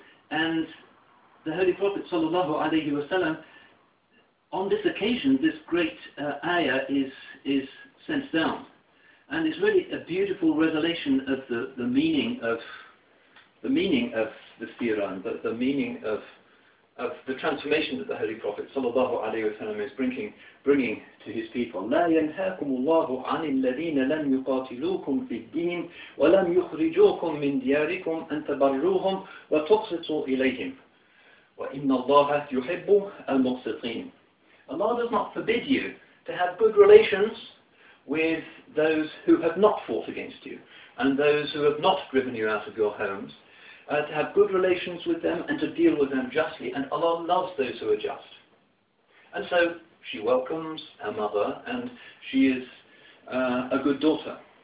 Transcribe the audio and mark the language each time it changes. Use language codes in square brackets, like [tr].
[en] And the Holy Prophet sallallahu alayhi wa sallam, on this occasion, this great ayah is sent down. And it's really a beautiful revelation of the meaning of the seerah, the meaning of the transformation that the Holy Prophet sallallahu alayhi wa sallam is bringing to his people. [ar] لا ينهاكم الله عن الذين لم يقاتلوكم في الدين ولم يخرجوكم من دياركم أن تبروهم وتقسطوا إليهم وإن الله يحب المقسطين. [en] Allah does not forbid you to have good relations with those who have not fought against you and those who have not driven you out of your homes. To have good relations with them and to deal with them justly. And Allah loves those who are just. And so she welcomes her mother, and she is a good daughter.